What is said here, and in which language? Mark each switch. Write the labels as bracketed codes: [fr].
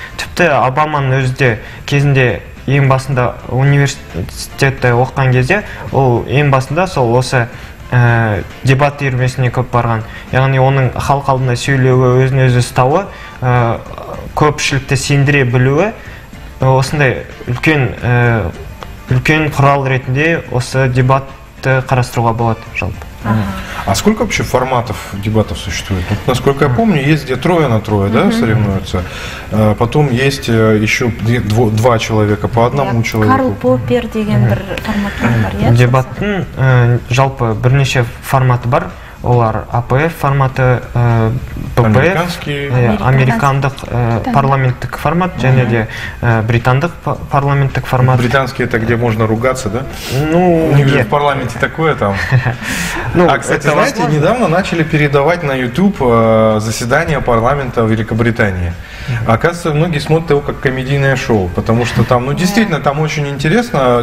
[kk] Тіпті Обаманың өзі де кезінде ең басында университетте оқыған кезде ол ең басында сол осы дебат үйірмесіне көп барған. Яғни оның халық алдында сөйлеуі, өзін өзі ұстауы, көпшілікті сендіре білуі осындай үлкен үлкен құрал ретінде осы дебатты қарастыруға болады жалпы. [ru] А сколько вообще форматов дебатов существует? Вот, насколько я помню, есть где трое на трое, да, соревнуются. Потом есть еще два человека по одному человеку. [kk] Карл Поппер деген бір форматы бар. Дебаттың жалпы бірнеше форматы бар. Олар АПФ форматы, ППФ, американдық парламенттік формат, және де британдық парламенттік формат. [ru] Британский – это где можно ругаться, да? Ну, у них же в парламенте такое там. А, кстати, знаете, недавно начали передавать на YouTube заседание парламента в Великобритании. Оказывается, многие смотрят его как комедийное шоу, потому что там, ну, действительно, там очень интересно.